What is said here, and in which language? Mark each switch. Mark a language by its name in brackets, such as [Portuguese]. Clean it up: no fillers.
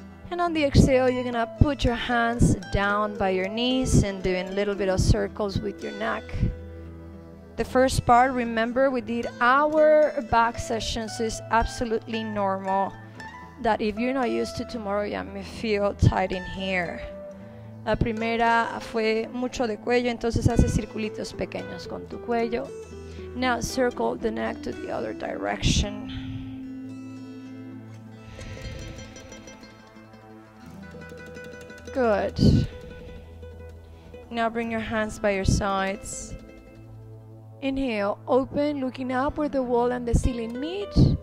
[English] And on the exhale, you're gonna put your hands down by your knees and doing a little bit of circles with your neck. The first part, remember, we did our back sessions, so it's absolutely normal that if you're not used to tomorrow, you may feel tight in here. [Spanish] La primera fue mucho de cuello, entonces hace circulitos pequeños con tu cuello. [English] Now circle the neck to the other direction. Good. Now bring your hands by your sides. Inhale, open, looking up where the wall and the ceiling meet.